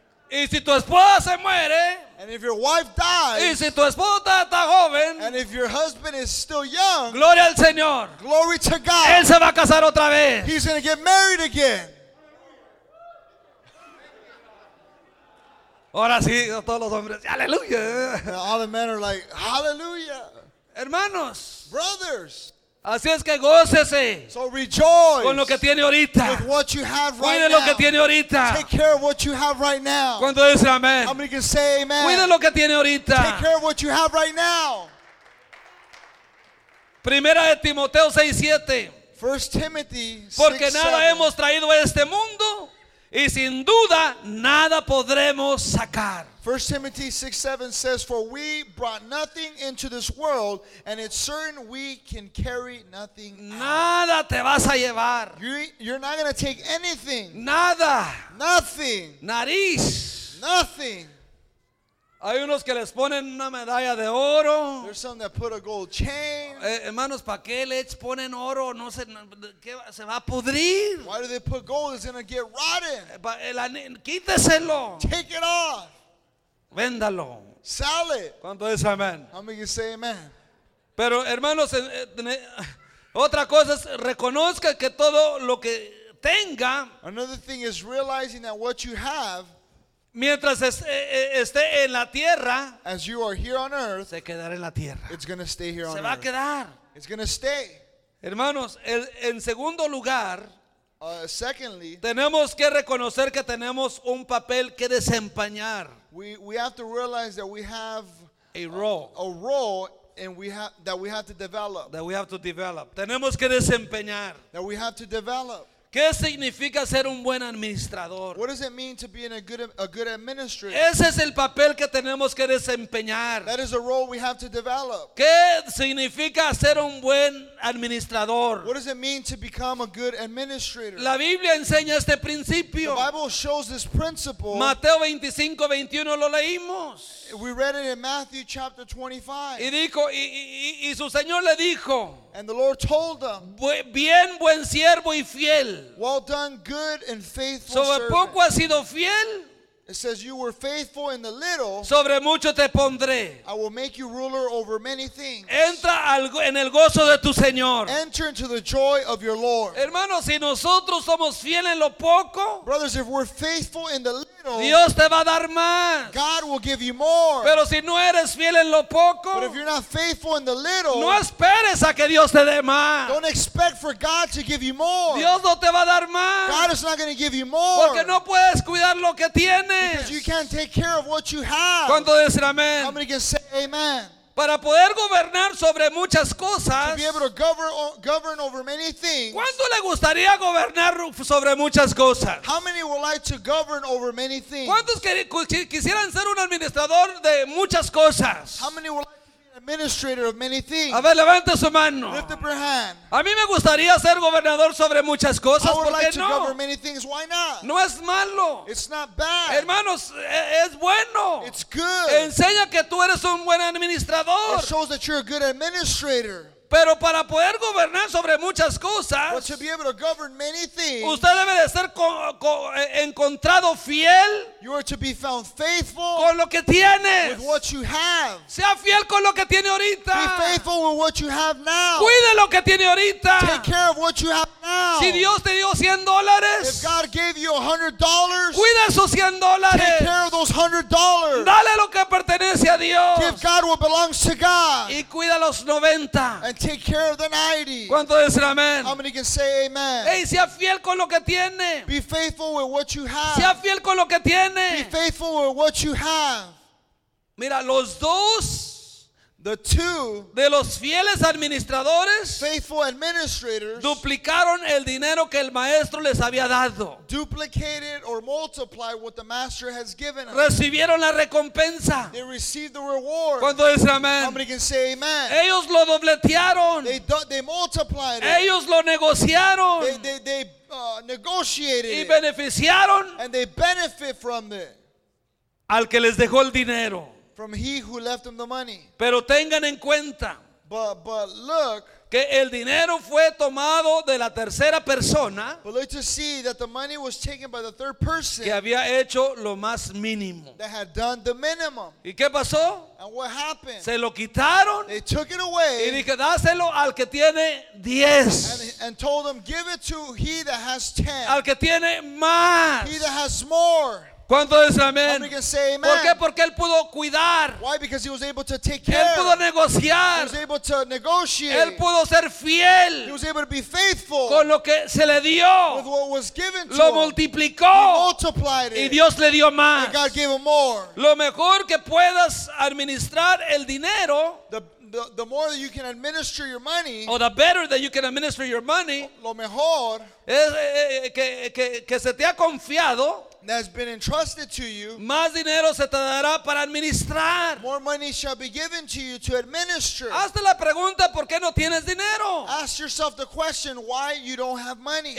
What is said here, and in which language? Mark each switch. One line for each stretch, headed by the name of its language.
Spanish: Y si tu esposa se muere,
English: and if your wife dies,
Spanish: y si tu esposa está joven,
English: and if your husband is still young,
Spanish: gloria al Señor,
English: glory to God.
Spanish: Él se va a casar otra vez.
English: He's going to get married again.
Spanish: Ahora sí, todos los hombres, aleluya.
English: All the men are like, hallelujah.
Spanish: Hermanos.
English: Brothers.
Spanish: Así es que gócese.
English: So rejoice.
Spanish: Con lo que tiene ahorita.
English: With what you have right
Spanish: cuide
English: now.
Spanish: Cuide lo que tiene ahorita.
English: Take care of what you have right now.
Spanish: ¿Cuánto dice amén?
English: How many can say amen?
Spanish: Cuide lo que tiene ahorita.
English: Take care of what you have right now.
Spanish: Primera de Timoteo 6:7.
English: First Timothy 6:7.
Spanish: Porque nada hemos traído a este mundo. Y sin duda nada podremos sacar.
English: 1 Timothy 6:7 says, "For we brought nothing into this world, and it's certain we can carry nothing out."
Spanish: Nada te vas a llevar.
English: You're not going to take anything.
Spanish: Nada.
English: Nothing.
Spanish: Nariz.
English: Nothing.
Spanish: Hay unos que les ponen una medalla de oro.
English: There's some that put a gold chain.
Spanish: Hermanos, ¿para qué les ponen oro? No sé, ¿qué se va a pudrir?
English: Why do they put gold? It's going to get rotten.
Spanish: Quíteselo.
English: Take it off.
Spanish: Véndalo.
English: Sell it.
Spanish: ¿Cuánto dice amén?
English: How many can say amen?
Spanish: Pero hermanos, otra cosa es reconozca que todo lo que tenga.
English: Another thing is realizing that what you have.
Spanish: Mientras esté en la tierra,
English: as you are here on earth,
Spanish: se quedará en la tierra.
English: It's going to stay here
Spanish: se
English: on earth.
Spanish: Se va a quedar.
English: It's going to stay.
Spanish: Hermanos, en segundo lugar,
English: secondly,
Spanish: tenemos que reconocer que tenemos un papel que desempeñar.
English: We have to realize that we have a role. A role and we have that we have to develop. That we have to develop.
Spanish: Tenemos que desempeñar.
English: That we have to develop.
Spanish: ¿Qué significa ser un buen administrador?
English: What does it mean to be a good administrator?
Spanish: Ese es el papel que tenemos que desempeñar.
English: That is the role we have to develop.
Spanish: ¿Qué significa ser un buen administrador?
English: What does it mean to become a good administrator?
Spanish: La Biblia enseña este principio.
English: The Bible shows this principle.
Spanish: Mateo 25:21 lo leímos.
English: We read it in Matthew chapter 25.
Spanish: Y dijo y su Señor le dijo.
English: And the Lord told them,
Spanish: bien, buen siervo y fiel.
English: Well done, good and faithful
Spanish: sobre
English: servant.
Spanish: Poco has sido fiel.
English: It says, you were faithful in the little.
Spanish: Sobre mucho te pondré.
English: I will make you ruler over many things.
Spanish: Entra en el gozo de tu Señor.
English: Enter into the joy of your Lord.
Spanish: Hermanos, si nosotros somos fieles en lo poco,
English: brothers, if we're faithful in the little,
Spanish: Dios te va a dar más.
English: God will give you more.
Spanish: Pero si no eres fiel en lo poco,
English: but if you're not faithful in the little,
Spanish: no esperes a que Dios te dé más.
English: Don't expect for God to give you more.
Spanish: Dios no te va a dar más.
English: God is not going to give you more.
Spanish: Porque no puedes cuidar lo que tienes.
English: Because you can't take care of what you have.
Spanish: ¿Cuánto dicen amén?
English: How many can say amen?
Spanish: Para poder gobernar sobre muchas cosas.
English: To be able to govern over many things.
Spanish: ¿Cuánto le gustaría gobernar sobre muchas cosas?
English: How many would like to govern over many things?
Spanish: ¿Cuántos quisieran ser un administrador de muchas cosas?
English: How many would like to be an administrator of many things?
Spanish: A ver, levante su mano.
English: Lift up your hand.
Spanish: A mí me gustaría ser gobernador sobre muchas cosas, ¿por qué no? No es malo.
English: It's not bad.
Spanish: Hermanos, es bueno.
English: It's good.
Spanish: Enseña que tú eres un buen administrador.
English: It shows that you're a good administrator.
Spanish: Pero para poder gobernar sobre muchas cosas,
English: but to be able to govern many things,
Spanish: usted debe de ser encontrado fiel,
English: you are to be found faithful,
Spanish: con lo que tienes,
English: with what you have.
Spanish: Sea fiel con lo que tiene ahorita.
English: Be faithful with what you have now.
Spanish: Cuide lo que tiene ahorita.
English: Take care of what you have now.
Spanish: Si Dios te dio $100,
English: if God gave you $100,
Spanish: cuide esos $100.
English: Take care of those $100.
Spanish: Dale lo que pertenece a Dios.
English: Give God what belongs to God.
Spanish: Y cuida los 90.
English: And take care of the 90.
Spanish: ¿Cuánto dicen amén?
English: How many can say amen?
Spanish: Hey, sea fiel con lo que tiene.
English: Be faithful with what you have.
Spanish: Sea fiel con lo que tiene.
English: Be faithful with what you have.
Spanish: Mira, los dos,
English: the two,
Spanish: de los fieles administradores,
English: faithful administrators,
Spanish: duplicaron el dinero que el maestro les había dado.
English: Duplicated or multiplied what the master has given them.
Spanish: Recibieron la recompensa.
English: They received the reward.
Spanish: ¿Cuánto dice amén?
English: Somebody can say amen.
Spanish: Ellos lo dobletearon.
English: They multiplied it.
Spanish: Ellos lo negociaron.
English: They negotiated
Spanish: y beneficiaron
English: it. And they benefit from it.
Spanish: Al que les dejó el dinero.
English: From he who left them the money.
Spanish: Pero tengan en cuenta.
English: But look.
Spanish: Que el dinero fue tomado de la tercera persona.
English: But look to see that the money was taken by the third person.
Spanish: Que había hecho lo más mínimo.
English: That had done the minimum.
Spanish: ¿Y qué pasó?
English: And what happened?
Spanish: Se lo quitaron.
English: They took it away.
Spanish: Y dije, dáselo al que tiene 10.
English: And told them, give it to he that has 10.
Spanish: Al que tiene más.
English: He that has more.
Spanish: ¿Cuánto dice amén? ¿Por qué? Porque él pudo cuidar.
English: Why? Because he was able to take care.
Spanish: Él pudo negociar.
English: He was able to negotiate.
Spanish: Él pudo ser fiel.
English: He was able to be faithful.
Spanish: Con lo que se le dio.
English: With what was given to
Spanish: lo
English: him.
Spanish: Multiplicó.
English: He multiplied it.
Spanish: Y Dios le dio más.
English: And God gave him more.
Spanish: Lo mejor que puedas administrar el dinero.
English: The more that you can administer your money. Or the better that you can administer your money.
Spanish: Lo mejor. Es que se te ha confiado.
English: That's been entrusted to you.
Spanish: Más dinero se te dará para administrar.
English: More money shall be given to you to administer.
Spanish: Hazte la pregunta, ¿por qué no tienes dinero?
English: Ask yourself the question, why you don't have money.